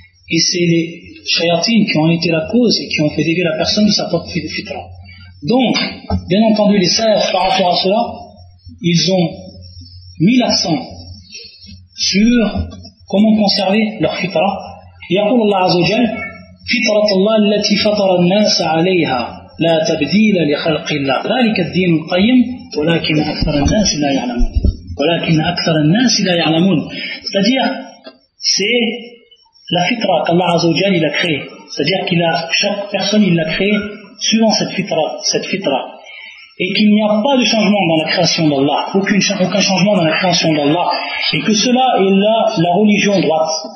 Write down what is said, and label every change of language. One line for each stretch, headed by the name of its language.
French: Et c'est les shayatin qui ont été la cause et qui ont fait dévier la personne de sa propre fitra. Donc, bien entendu, les salafs, par rapport à cela, ils ont mis l'accent sur comment conserver leur fitra.
Arabic: يقول الله عز وجل فطرة الله التي فطر الناس عليها لا تبديل لخلق الله ذلك الدين القيم ولكن أكثر الناس لا يعلمون ولكن أكثر الناس لا يعلمون.
French: C'est-à-dire, c'est la fitra qu'Allah عز وجل il a créée. C'est-à-dire qu'il a chaque personne il l'a créée suivant cette fitra, et qu'il n'y a pas de changement dans la création d'Allah, aucun changement dans la création d'Allah, et que cela est la religion droite.